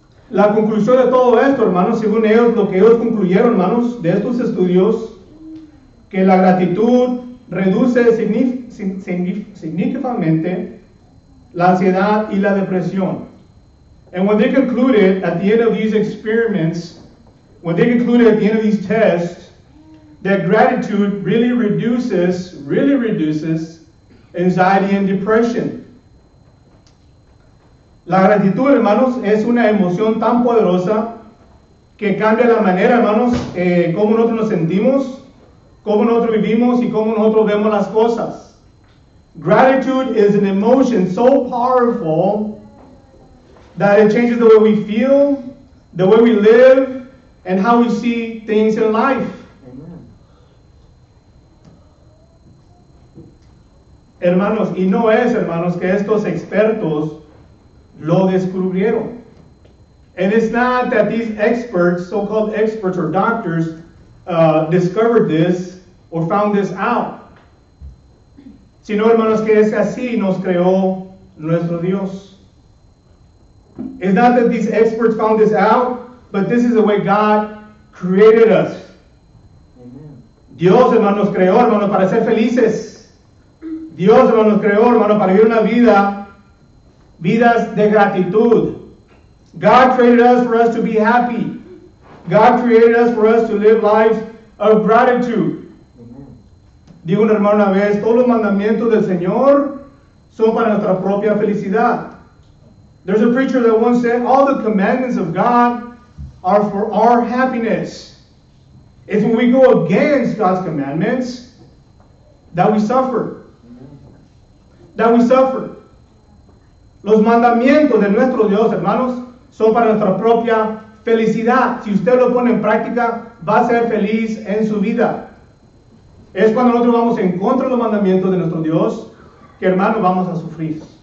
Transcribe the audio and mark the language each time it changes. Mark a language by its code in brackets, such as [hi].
[es] La conclusión de todo esto, hermanos, según ellos, lo que ellos concluyeron, hermanos, de estos estudios, que la gratitud reduce [en] significantly [es] la ansiedad y la depresión. [en] And when they concluded at the end of these experiments, when they concluded at the end of these tests, that gratitude really reduces anxiety and depression. [es] La gratitud, hermanos, es una emoción tan poderosa que cambia la manera, hermanos, cómo nosotros nos sentimos, cómo nosotros vivimos y cómo nosotros vemos las cosas. [en] Gratitude is an emotion so powerful that it changes the way we feel, the way we live, and how we see things in life. Amen. [es] Hermanos, y no es, hermanos, que estos expertos lo descubrieron. [en] And it's not that these experts, so-called experts or doctors, discovered this or found this out. [es] Sino, hermanos, que es así nos creó nuestro Dios. [en] It's not that these experts found this out, but this is the way God created us. Amen. [es] Dios, hermanos, creó, hermanos, para ser felices. Dios, hermanos, creó, hermanos, para vivir una vida, vidas de gratitud. [en] God created us for us to be happy. God created us for us to live lives of gratitude. Amen. [es] Digo una hermana una vez, todos los mandamientos del Señor son para nuestra propia felicidad. [en] There's a preacher that once said, all the commandments of God are for our happiness. It's when we go against God's commandments that we suffer. Amen. That we suffer. [es] Los mandamientos de nuestro Dios, hermanos, son para nuestra propia felicidad. Si usted lo pone en práctica, va a ser feliz en su vida. Es cuando nosotros vamos en contra de los mandamientos de nuestro Dios que, hermanos, vamos a sufrir.